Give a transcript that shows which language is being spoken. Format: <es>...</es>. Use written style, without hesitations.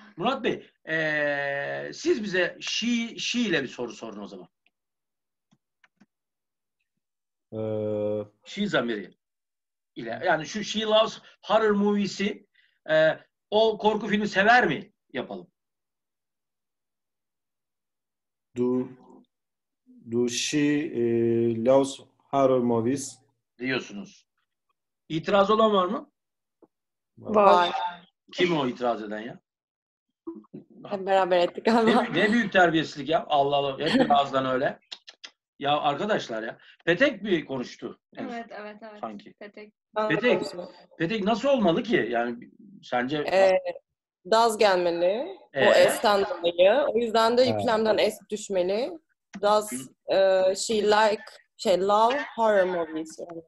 <tr>Murat Bey, siz bize she ile bir soru sorun o zaman. She zamiri ile. Yani şu</tr> <en>She Loves Horror Movies'i</en> <tr>o korku filmi sever mi? Yapalım.</tr> <en>Do she loves horror movies?</en> <tr>Diyorsunuz. İtiraz olan var mı? Var. Kim o itiraz eden ya? Hep beraber ettik ama. Ne büyük terbiyesizlik ya. Allah Allah. Hep ağızdan öyle. Ya arkadaşlar ya. Petek mi konuştu? Evet. Sanki. Petek. Petek nasıl olmalı ki? Yani sence... Daz gelmeli. O S'den dolayı. O yüzden de yüklemden S düşmeli.</tr> <en>Does she like, love horror movies?</en>